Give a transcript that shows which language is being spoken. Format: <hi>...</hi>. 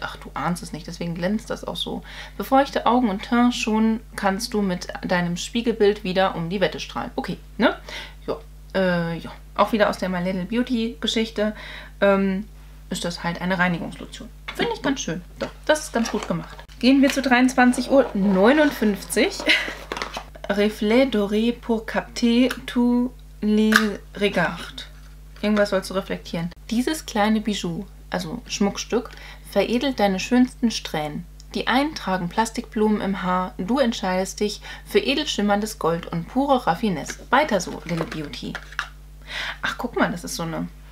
<de>Ach, du ahnst es nicht, deswegen glänzt das auch so. Befeuchte Augen und Teint schon kannst du mit deinem Spiegelbild wieder um die Wette strahlen. Okay, ne? Ja, ja. Auch wieder aus der My Little Beauty Geschichte ist das halt eine Reinigungslotion. Finde ich ganz schön. Doch, das ist ganz gut gemacht. Gehen wir zu 23.59 Uhr.</de> <fr>Reflet doré pour capter tous les regards.</fr> <de>Irgendwas sollst du reflektieren. Dieses kleine Bijou, also Schmuckstück, veredelt deine schönsten Strähnen. Die einen tragen Plastikblumen im Haar, du entscheidest dich für edelschimmerndes Gold und pure Raffinesse. Weiter so, Little Beauty. Ach, guck mal, das ist so eine...</de>